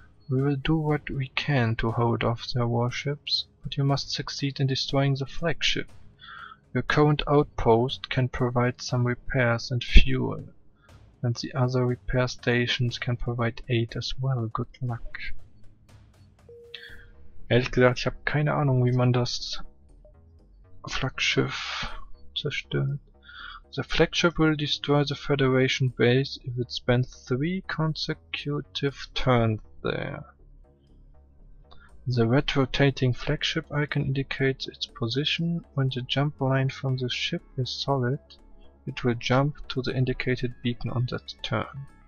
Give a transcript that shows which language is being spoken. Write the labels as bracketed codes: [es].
[en] We will do what we can to hold off their warships, but you must succeed in destroying the flagship. Your current outpost can provide some repairs and fuel, and the other repair stations can provide aid as well. Good luck." [de] Ehrlich gesagt, ich habe keine Ahnung, wie man das Flaggschiff zerstört. [en] "The flagship will destroy the Federation base if it spends 3 consecutive turns there. The red rotating flagship icon indicates its position. When the jump line from the ship is solid, it will jump to the indicated beacon on that turn."